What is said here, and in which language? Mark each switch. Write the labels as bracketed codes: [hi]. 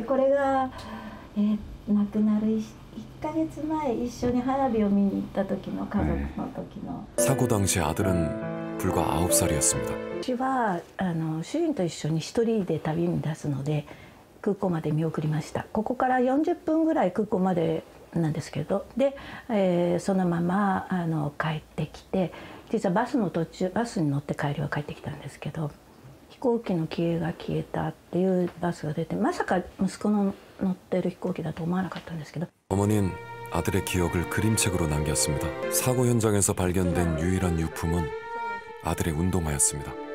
[ja] 小さい時の飼ってた犬の。これ大好きなんで、お祭りの時で。で、これが亡くなる 1ヶ月前一緒に花火を見に行った時の家族の時の。 [ko] 네. 사고 당시 아들은 불과 9살이었습니다. [ja] 私は主人と一緒に一人で旅に出すので空港まで見送りました. ここから40分ぐらい空港までなんですけど、 で、そのまま帰ってきて、実はバスの途中、バスに乗って帰りは帰ってきたんですけど、 飛行機の機影が消えたっていうバスが出て、まさか息子の乗ってる飛行機だと思わなかったんですけど。 [ko] 어머니는 아들의 기억을 그림책으로 남겼습니다. 사고 현장에서 발견된 유일한 유품은 아들의 운동화였습니다.